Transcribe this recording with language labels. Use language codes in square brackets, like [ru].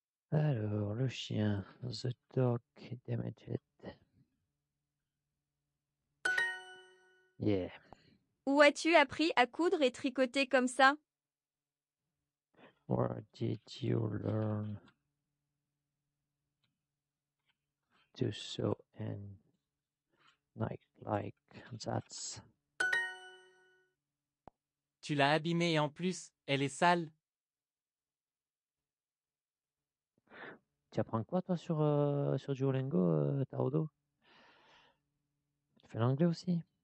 [fr] Alors, le chien, [en] the dog damaged. Yeah. [fr] Où as-tu appris à coudre et tricoter comme ça? [en] Where did you learn to sew and knit like that? [fr] Tu l'as abîmée et en plus, elle est sale. Tu apprends quoi, toi, sur Duolingo, Taodo? Tu fais l'anglais aussi?